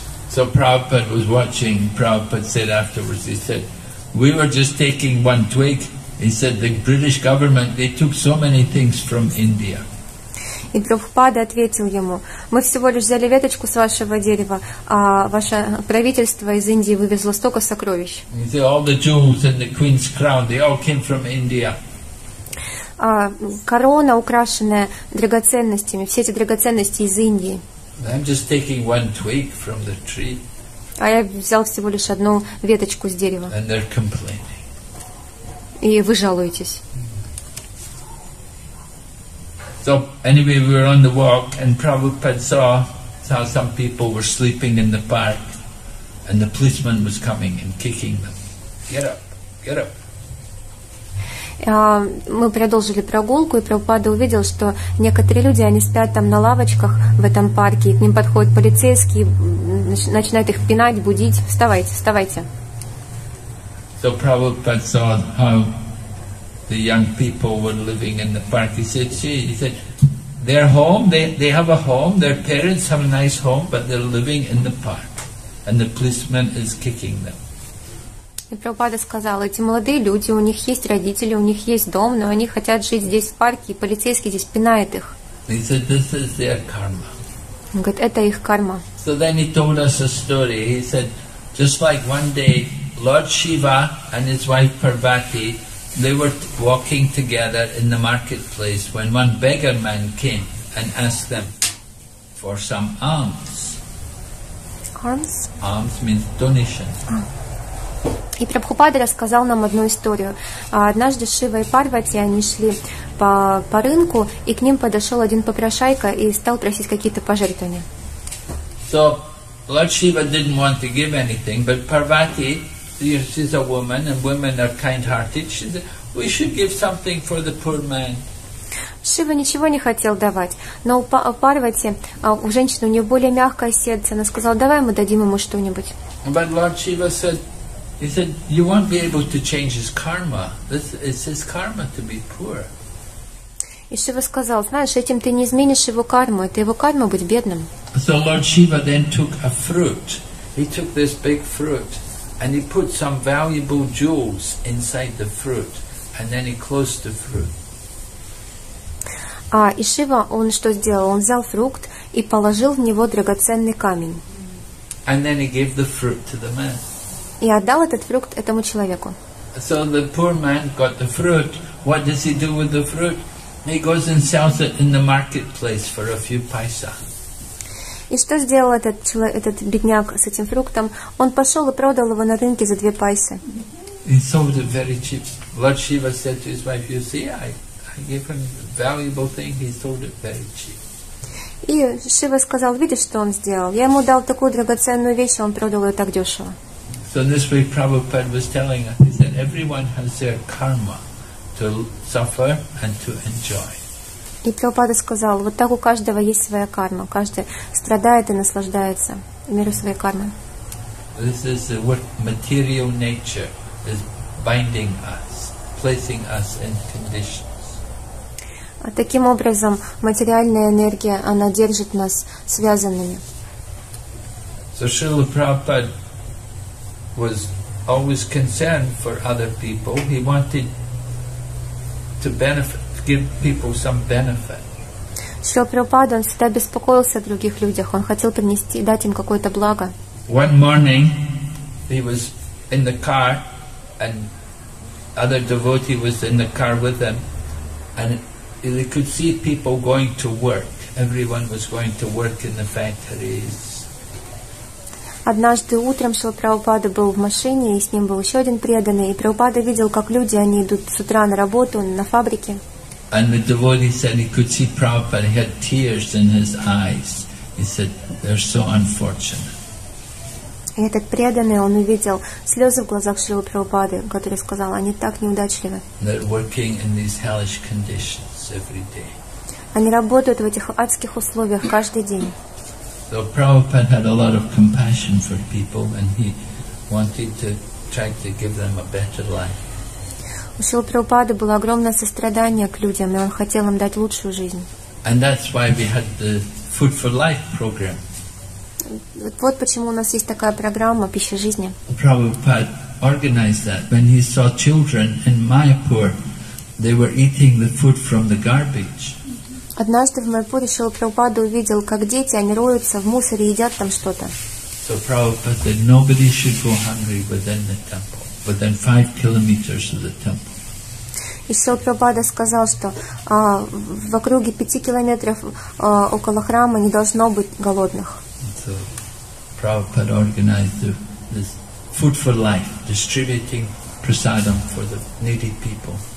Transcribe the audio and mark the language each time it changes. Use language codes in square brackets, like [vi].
[en] So Prabhupada was watching, Prabhupada said afterwards, he said, we were just taking one twig, he said, the British government, they took so many things from India. [ru] И Прабхупада ответил ему, мы всего лишь взяли веточку с вашего дерева, а ваше правительство из Индии вывезло столько сокровищ. [en] He said, all the jewels and the queen's crown, they all came from India. [ru] Корона, украшенная драгоценностями, все эти драгоценности из Индии. [en] I'm just taking one twig from the tree. [ru] А я взял всего лишь одну веточку с дерева. [en] And they're complaining. [ru] И вы жалуетесь. [en] So anyway, we were on the walk, and Prabhupada saw some people were sleeping in the park, and the policeman was coming and kicking them. Get up, get up. [ru] Мы продолжили прогулку, и Прабхупада увидел, что некоторые люди, они спят там на лавочках в этом парке, и к ним подходят полицейские, начинают их пинать, будить. Вставайте, вставайте. [en] So Prabhupada saw how the young people were living in the park. He said, their home, they have a home, their parents have a nice home, but they're living in the park, and the policeman is kicking them. [ru] И Прабхупада сказал, эти молодые люди, у них есть родители, у них есть дом, но они хотят жить здесь в парке, и полицейский здесь пинает их. [en] He said, this is their karma. [ru] Он говорит, это их карма. [en] So then he told us a story. He said, just like one day, Lord Shiva and his wife Parvati, they were walking together in the marketplace when one beggar man came and asked them for some alms. Alms? Alms means donation. [ru] И Прабхупада рассказал нам одну историю. Однажды Шива и Парвати, они шли по рынку, и к ним подошел один попрошайка и стал просить какие-то пожертвования. [en] So, Lord Shiva didn't want to give anything, but Parvati, she's a woman, and women are kind-hearted, she said, we should give something for the poor man. [ru] Шива ничего не хотел давать, но у Парвати, у женщины, у нее более мягкое сердце, она сказала, давай мы дадим ему что-нибудь. [en] But Lord Shiva said, he said, you won't be able to change his karma. It's his karma to be poor. [ru] И Шива сказал, знаешь, этим ты не изменишь его карму, это его карма быть бедным. [en] So Lord Shiva then took a fruit. He took this big fruit and he put some valuable jewels inside the fruit and then he closed the fruit. [ru] И Шива, он что сделал? Он взял фрукт и положил в него драгоценный камень. [en] And then he gave the fruit to the man. [ru] И отдал этот фрукт этому человеку. [en] So the poor man got the fruit. What does he do with the fruit? He goes and sells it in the marketplace for a few paisa. [ru] И что сделал этот бедняк с этим фруктом? Он пошел и продал его на рынке за 2 пайсы. [en] He sold it very cheap. Lord Shiva said to his wife, you see, I gave him a valuable thing, he sold it very cheap. [ru] И Шива сказал, видишь, что он сделал? Я ему дал такую драгоценную вещь, он продал ее так дешево. [en] So in this way Prabhupada was telling us, he said, everyone has their karma to suffer and to enjoy. [ru] И Прабхупада сказал, вот так у каждого есть своя карма. Каждый страдает и наслаждается миру своей кармы. [en] This is what material nature is binding us, placing us in conditions. [ru] Таким образом, материальная энергия, она держит нас связанными. [en] So Srila Prabhupada was always concerned for other people. He wanted to benefit, give people some benefit. [ru] Srila Prabhupada, он всегда беспокоился о других людях. Он хотел принести, дать им какое-то благо. [en] One morning, he was in the car, and other devotee was in the car with him, and they could see people going to work. Everyone was going to work in the factories. [ru] Однажды утром Шрила Прабхупада был в машине, и с ним был еще один преданный, и Прабхупада видел, как люди, они идут с утра на работу, на фабрике. [en] And the devotee said he could see Prabhupada, he had tears in his eyes. He said, they're so unfortunate. [ru] И этот преданный, он увидел слезы в глазах Шрилы Прабхупады, который сказал, они так неудачливы. Они работают в этих адских условиях каждый день. [en] Прабхупада had a lot of compassion for people, and he wanted to try to give them a better life. [ru] У Шрилы Прабхупады было огромное сострадание к людям, и он хотел им дать лучшую жизнь. [en] And that's why we had the Food for Life program. [ru] Вот почему у нас есть такая программа «Пища жизни». [en] Prabhupada organized that when he saw children in Mayapur, they were eating the food from the garbage. [ru] Однажды в Майпуре Шрила Прабхупада увидел, как дети, они роются в мусоре, едят там что-то. [en] So Prabhupada said, nobody should go hungry within the temple, within 5 kilometers of the temple. [ru] И Шрила Прабхупада сказал, что в округе 5 километров около храма не должно быть голодных. [en] So Prabhupada organized this Food for Life, distributing prasadam for the needy people.